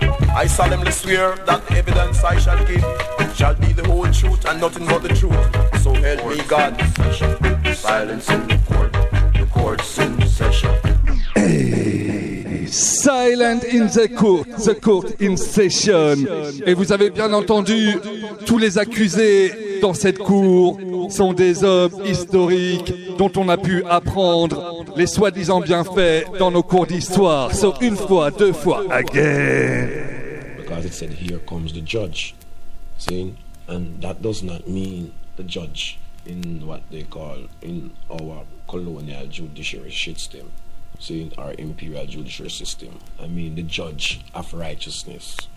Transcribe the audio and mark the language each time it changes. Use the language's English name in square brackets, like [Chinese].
[English] I solemnly swear that the evidence I shall give shall be the whole truth and nothing but the truth. So help me God. Silence in the court. The court's in session. Silent in the court in session. [French] Et vous avez bien entendu, tous les accusés dans cette cour sont des hommes historiques dont on a pu apprendre les soi-disant bienfaits dans nos cours d'histoire. So une fois, deux fois, again. [English] Because it said, here comes the judge. See? And that does not mean the judge in what they call in our colonial judiciary system. See, our imperial judiciary system. I mean the judge of righteousness.